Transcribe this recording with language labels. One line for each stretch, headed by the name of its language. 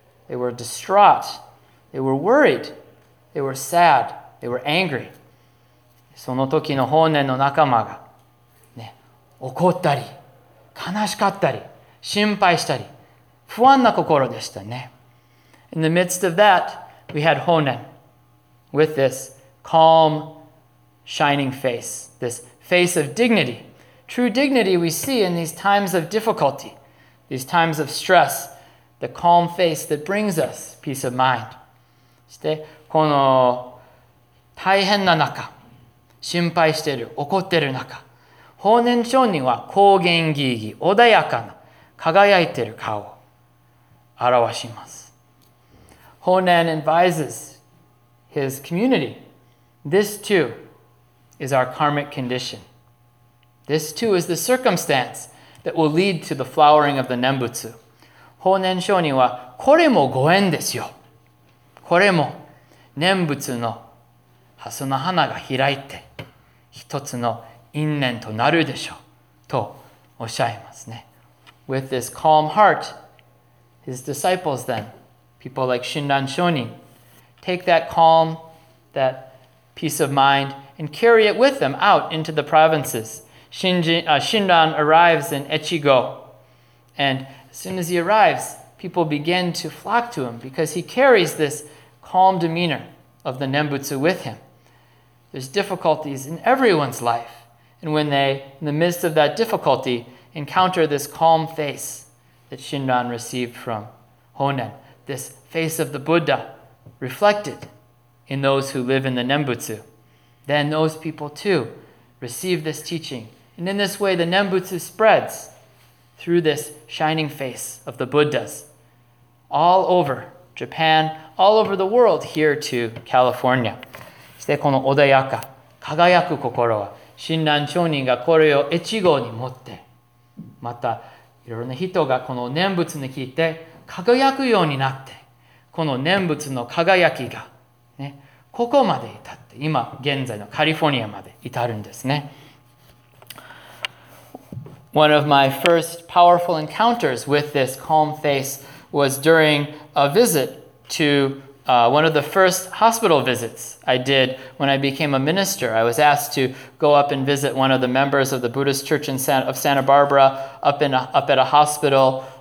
English: They were distraught. They were worried. They were sad. They were angry.
Japanese: その時の法然の仲間が、ね、怒ったり、悲しかったり、心配したり、不安な心でしたね。
English: In the midst of that, we had Honen with this calm, shining face, this face of dignity. True dignity we see in these times of difficulty, these times of stress, the calm face that brings us peace of mind.
Japanese: そして、この大変な中、心配してる、怒ってる中、法然上人は高原義義、穏やかな、輝いてる顔を表します。
English: Honen advises his community. This too is our karmic condition. This too is the circumstance that will lead to the flowering of the Nembutsu.
Japanese: Honen Shonin はこれもご縁ですよ。これも念仏の蓮の花が開いて一つの因縁となるでしょうとおっしゃいますね。
English: With this calm heart,His disciples then, people like Shinran Shonin, take that calm, that peace of mind, and carry it with them out into the provinces. Shinran arrives in Echigo, and as soon as he arrives, people begin to flock to him because he carries this calm demeanor of the Nembutsu with him. There's difficulties in everyone's life, and when they, in the midst of that difficulty, encounter this calm face,that Shinran received from Honen. This face of the Buddha reflected in those who live in the Nembutsu. Then those people too receive this teaching. And in this way, the Nembutsu spreads through this shining face of the Buddhas all over Japan, all over the world, here to California.
Japanese: そしてこの穏やか、輝く心は、Shinran Shonin がこれを越後に持って、また、いろいろな人がこの念仏に聞いて輝くようになって、この念仏の輝きが、ね、ここまで至って、今現在のカリフォルニアまで至るんですね。
English: One of my first powerful encounters with this calm face was during a visit to One of the first hospital visits I did when I became a minister, I was asked to go up and visit one of the members of the Buddhist Church in Santa Barbara up at a hospital.